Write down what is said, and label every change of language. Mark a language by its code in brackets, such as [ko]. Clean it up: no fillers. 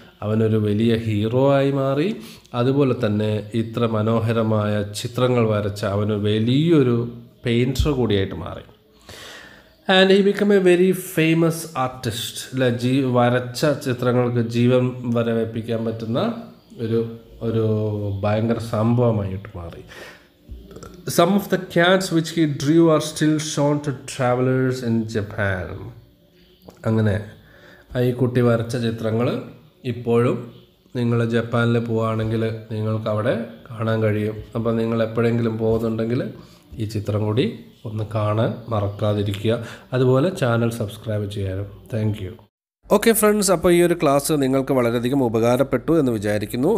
[ml] അവനൊരു വലിയ ഹീറോ ആയി മാറി. അതുപോലെ തന്നെ ഇത്ര മനോഹരമായ ചിത്രങ്ങൾ വരച്ച അവന് വലിയൊരു പെയിൻറ്റർ കൂടിയായിട്ട് മാറി. [en] and he become a very famous artist, [ml] അല്ലെ, വരച്ച ചിത്രങ്ങൾക്ക് ജീവൻ വരവേപ്പിക്കാൻ പറ്റുന്ന ഒരു ഒരു ഭയങ്കര സംഭവമായിട്ട് മാറി. [en] Some of the cats which he drew are still shown to travelers in Japan. [ml] അങ്ങനെ ഈ കുട്ടി വരച്ച ചിത്രങ്ങൾ ഇപ്പോഴും നിങ്ങൾ ജപ്പാനിൽ പോവുകയാണെങ്കിൽ നിങ്ങൾക്ക് അവിടെ കാണാൻ കഴിയും. അപ്പം നിങ്ങൾ എപ്പോഴെങ്കിലും പോകുന്നുണ്ടെങ്കിൽ ഈ ചിത്രം കൂടി ഒന്ന് കാണാൻ മറക്കാതിരിക്കുക. അതുപോലെ ചാനൽ സബ്സ്ക്രൈബ് ചെയ്യാനും. [en] Thank you. [ml] ഓക്കെ ഫ്രണ്ട്സ്, അപ്പോൾ ഈ ഒരു ക്ലാസ് നിങ്ങൾക്ക് വളരെയധികം ഉപകാരപ്പെട്ടു എന്ന് വിചാരിക്കുന്നു.